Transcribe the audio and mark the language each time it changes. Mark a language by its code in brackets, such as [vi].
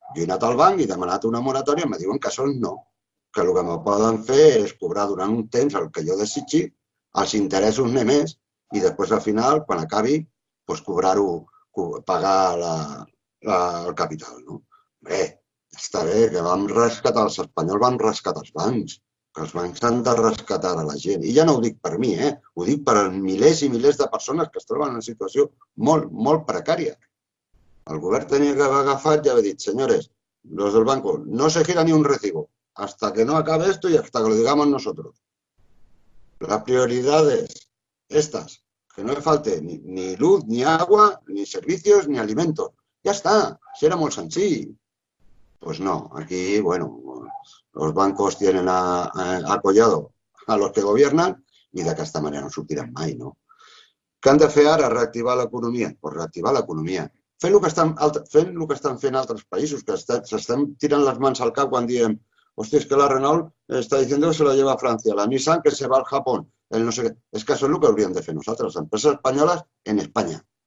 [ca] Jo he anat al banc i he demanat una moratòria, em diuen que això no, que el que me poden fer és cobrar durant un temps el que jo desitgi, els interessos només, i després al final, quan acabi, doncs cobrar-ho, pagar el capital. No? Bé, està bé, que vam rescatar els espanyols, vam rescatar els bancs, que els bancs han de rescatar a la gent. I ja no ho dic per mi, ho dic per als milers i milers de persones que es troben en una situació molt, molt precària. El govern tenia que haver agafat i haver dit, senyores, [es] los del banco, no se gira ni un recibo hasta que no acabe esto y hasta que lo digamos nosotros. La prioridad es estas, que no le falte ni luz, ni agua, ni servicios, ni alimento. Ya está, si era muy sencillo. Pues no, aquí, bueno, los bancos tienen a Collado a los que gobiernan y de esta manera no [ca] sortirán mai, [es] ¿no? [ca] ¿Qué han de fer ara? Reactivar l'economia. Pues reactivar l'economia. Fent el que estan fent altres països, que s'estan tirant les mans al cap quan diem, hòstia, és que la Renault està dient que se la lleva a França, la Nissan que se va al Japó, el no sé què. És que això és el que hauríem de fer nosaltres, les empreses espanyoles en Espanya.